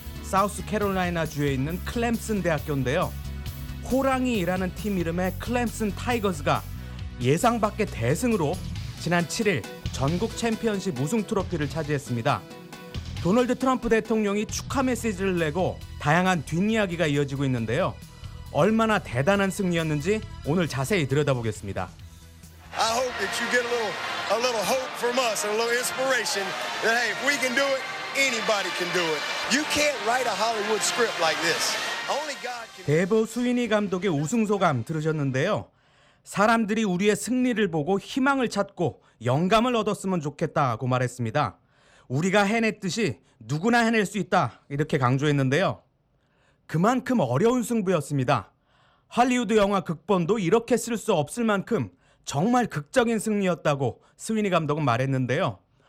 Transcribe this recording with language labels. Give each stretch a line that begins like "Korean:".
Korean: 사우스 캐롤라이나 주에 있는 클렘슨 대학교인데요. 호랑이라는 팀 이름의 클렘슨 타이거스가 예상 밖의 대승으로 지난 7일 전국 챔피언십 우승 트로피를 차지했습니다. 도널드 트럼프 대통령이 축하 메시지를 내고 다양한 뒷이야기가 이어지고 있는데요. 얼마나 대단한 승리였는지 오늘 자세히 들여다보겠습니다.
English: I hope that you get a little hope from us and a little inspiration that hey, if we can do it, anybody can do it. You can't write a Hollywood script like this. Only God can.
Korean: 데브 수인이 감독의 우승 소감 들으셨는데요. 사람들이 우리의 승리를 보고 희망을 찾고 영감을 얻었으면 좋겠다고 말했습니다. 우리가 해냈듯이 누구나 해낼 수 있다 이렇게 강조했는데요. 그만큼 어려운 승부였습니다. 할리우드 영화 극본도 이렇게 쓸 수 없을 만큼 정말 극적인 승리였다고 스위니 감독은 말했는데요.